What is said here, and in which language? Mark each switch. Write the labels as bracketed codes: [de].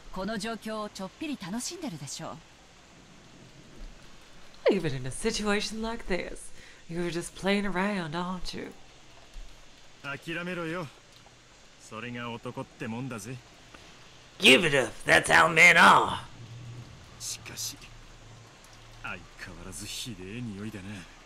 [ja] この状況をちょっぴり楽しんでるでしょう。 [en] Even in a situation like this, you're just playing around, aren't you? [ja] 諦めろよ。それが男ってもんだぜ。 [en] Give it up. That's how men are. [ja] しかし、相変わらずひでえ匂いだな。